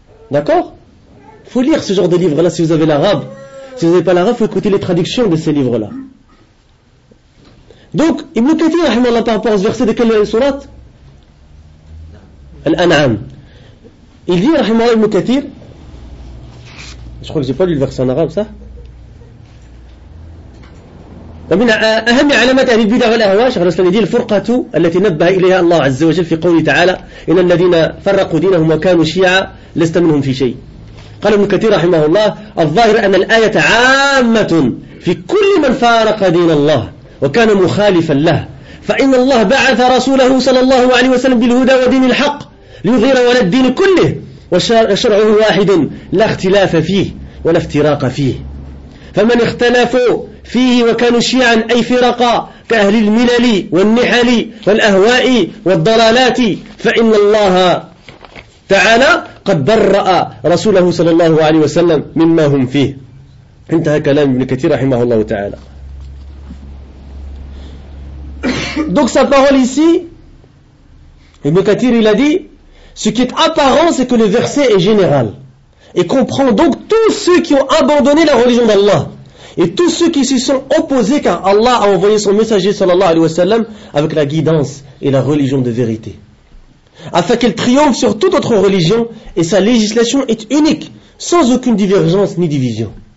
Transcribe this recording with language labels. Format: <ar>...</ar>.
<fr>D'accord? Faut lire ce genre de livres-là si vous avez l'arabe. Si vous n'avez pas l'arabe, faut écouter les traductions de ces livres-là. Donc, Ibn Kathir, rahimahullah, par rapport à ce verset de quelle surat? Al-An'am. Il dit, rahimahullah, Ibn Kathir, je crois que j'ai pas lu le verset en arabe, ça.</fr> <ar>ومن أهم علامات أهل البدع والأهواء شيخ الإسلام دي الفرقة التي نبه إليها الله عز وجل في قوله تعالى إن الذين فرقوا دينهم وكانوا شيعا لست منهم في شيء. قال ابن كثير رحمه الله الظاهر أن الآية عامة في كل من فارق دين الله وكان مخالفا له، فإن الله بعث رسوله صلى الله عليه وسلم بالهدى ودين الحق ليظهر على الدين كله، وشرعه واحد لا اختلاف فيه ولا افتراق فيه، فمن اختلفوا فيه وكانوا شيعا أي فرقا كأهل الملل والنحل والأهواء والضلالات فإن الله تعالى قد برأ رسوله صلى الله عليه وسلم مما هم فيه. انتهى كلام ابن كثير رحمه الله تعالى.</ar> <fr>Donc sa parole ici, Ibn Kathir il a dit, ce qui est apparent c'est que le verset est général et comprend donc tous ceux qui ont abandonné la religion d'Allah et tous ceux qui se sont opposés, car Allah a envoyé son messager sallallahu alayhi wa sallam avec la guidance et la religion de vérité afin qu'elle triomphe sur toute autre religion et sa législation est unique sans aucune divergence ni division.</fr>